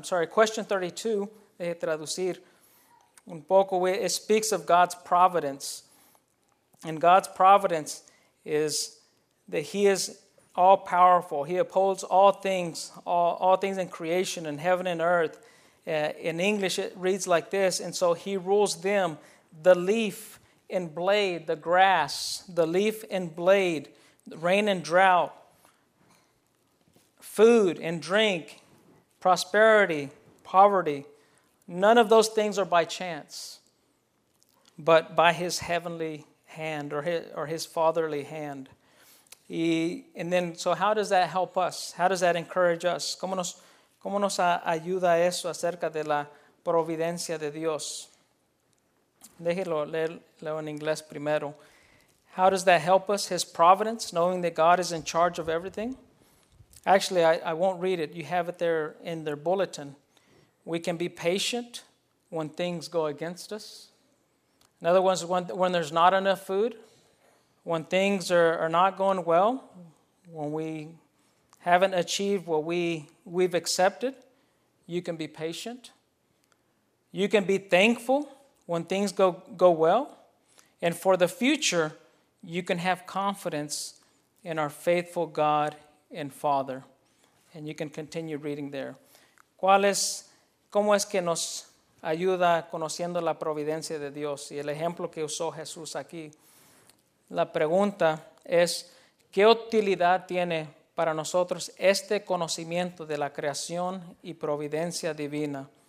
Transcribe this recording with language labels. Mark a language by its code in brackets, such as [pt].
[en] Question 32, [es] deje traducir un poco. [en] It speaks of God's providence. And God's providence is that He is all-powerful. He upholds all things in creation, in heaven and earth. In English, it reads like this. And so He rules them. The leaf and blade, the grass, the leaf and blade, the rain and drought, food and drink, prosperity, poverty. None of those things are by chance, but by his heavenly hand or his fatherly hand. So how does that help us? How does that encourage us? [es] ¿Cómo nos ayuda eso acerca de la providencia de Dios? Déjelo leerlo en inglés primero. [en] How does that help us? His providence, knowing that God is in charge of everything. Actually, I won't read it. You have it there in their bulletin. We can be patient when things go against us. In other words, when there's not enough food, when things are not going well, when we haven't achieved what we've accepted, you can be patient. You can be thankful when things go well. And for the future, you can have confidence in our faithful God and Father. And you can continue reading there. [es] ¿Cómo es que nos ayuda conociendo la providencia de Dios? Y el ejemplo que usó Jesús aquí. La pregunta es, ¿qué utilidad tiene para nosotros este conocimiento de la creación y providencia divina?